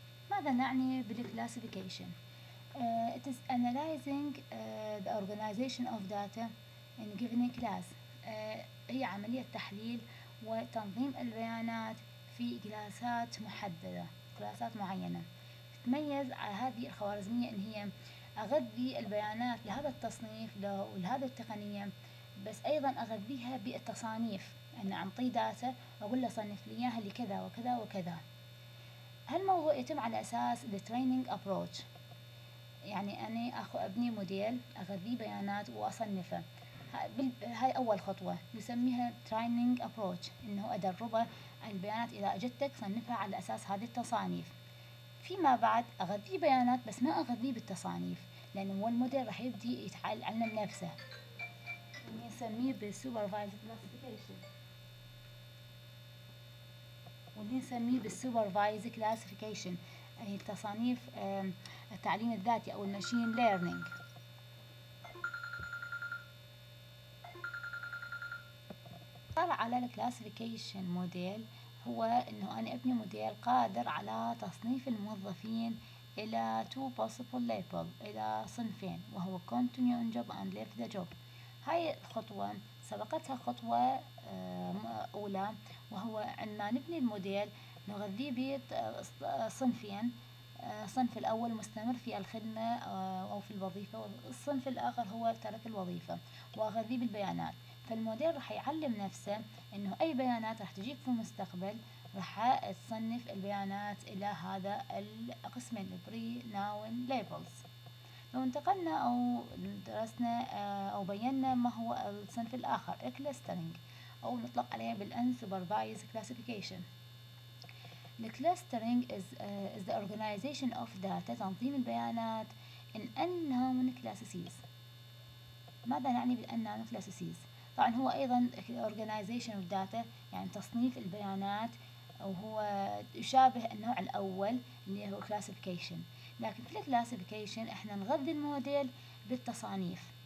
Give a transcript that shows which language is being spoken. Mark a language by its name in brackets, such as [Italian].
[Arabic] ماذا نعني بالclassification؟ [English] It is analyzing the organization of data in given class. [Arabic] هي عملية تحليل وتنظيم البيانات في كلاسات محددة، كلاسات معينة. تتميز على هذه الخوارزمية ان هي اغذي البيانات لهذا التصنيف ولهذا التقنية، بس ايضا اغذيها بالتصانيف، ان اعطي داتا واقول له صنف لي اياها لكذا وكذا وكذا. هالموضوع يتم على اساس [English] the training approach، [Arabic] يعني انا ابني موديل اغذي بيانات واصنفه. هاي أول خطوة نسميها training approach، إنه أدربه البيانات إذا أجتك صنفها على أساس هذه التصانيف. فيما بعد أغذي بيانات بس ما أغذي بالتصانيف، لأنه هو الموديل راح يبدي يتعلم نفسه. نسميه supervised classification، واللي نسميه supervised classification التصانيف التعليم الذاتي أو الماشين ليرنينج. طلع على الكلاسيفيكيشن موديل هو إنه أنا أبني موديل قادر على تصنيف الموظفين إلى [English] two possible labels، [Arabic] إلى صنفين، وهو [English] continue on job and leave the job. [Arabic] هاي الخطوة سبقتها خطوة أولى، وهو عندما نبني الموديل نغذيه بصنفين، الصنف الأول مستمر في الخدمة أو في الوظيفة، والصنف الآخر هو ترك الوظيفة، وأغذيه بالبيانات. فالموديل رح يعلم نفسه أنه أي بيانات رح تجيك في المستقبل رح تصنف البيانات إلى هذا القسم البري ناون ليبلز. لو انتقلنا أو درسنا أو بينا ما هو الصنف الآخر الكلاسترينج، أو نطلق عليه بالأنسوبرفايز كلاسيفيكيشن. [English] الكلاسترينج is the organization of data، [Arabic] تنظيم البيانات [English] in unknown classes. [Arabic] ماذا نعني بالunknown classes؟ طبعا هو أيضا [English] organization of data [Arabic] يعني تصنيف البيانات، وهو يشابه النوع الأول اللي هو classification. لكن في الكلاسيفيكيشن احنا نغذي الموديل بالتصانيف.